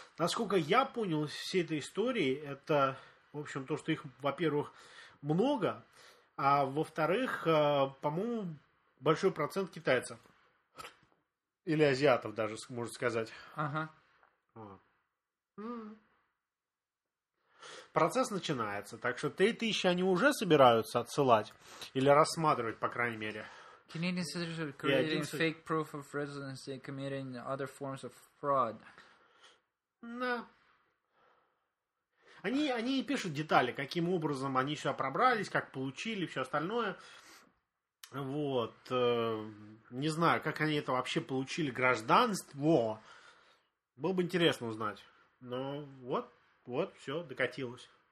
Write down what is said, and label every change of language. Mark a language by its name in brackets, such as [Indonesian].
[Russian] Насколько я понял из всей этой истории, это, в общем, то, что их, во-первых, много, а во-вторых, по-моему, большой процент китайцев. Или азиатов даже, можно сказать. Ага. Вот. процесс начинается. Так что 3000 они уже собираются отсылать или рассматривать, по крайней мере. [English] Canadian citizens are creating fake proof of residency, committing other forms of fraud. [Russian] Да. Они и пишут детали, каким образом они сюда пробрались, как получили, все остальное. Вот. Не знаю, как они это вообще получили, гражданство. Было бы интересно узнать. Но вот, вот, все, докатилось.